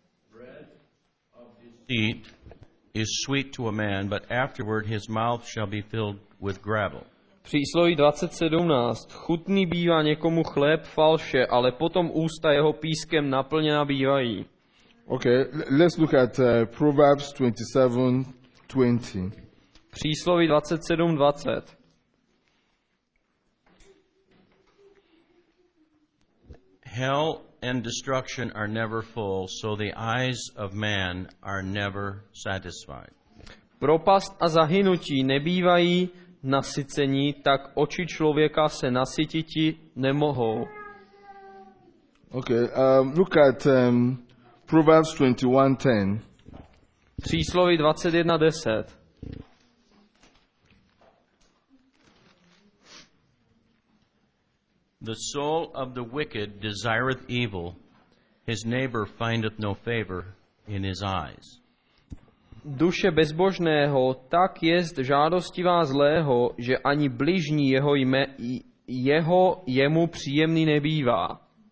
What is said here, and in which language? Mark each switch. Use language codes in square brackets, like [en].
[en] Bread of deceit is sweet to a man, but afterward his mouth shall be filled with gravel. [cs] Přísloví 20:17. Chutný bývá někomu chléb falše, ale potom ústa jeho pískem naplněna bývají. [en] Okay, let's look at Proverbs 27:20. [cs] Přísloví 27:20. [en] Hell and destruction are never full, so the eyes of man are never satisfied. [cs] Propast a zahynutí nebývají nasycení, tak oči člověka se nasytiti nemohou. [en] Okay, look at Proverbs 21:10. [cs] Přísloví 21:10. [en] The soul of the wicked desireth evil, his neighbor findeth no favor in his eyes. [cs] Duše bezbožného tak jest žádostivá zlého, že ani bližní jeho jme, jeho jemu příjemný nebývá.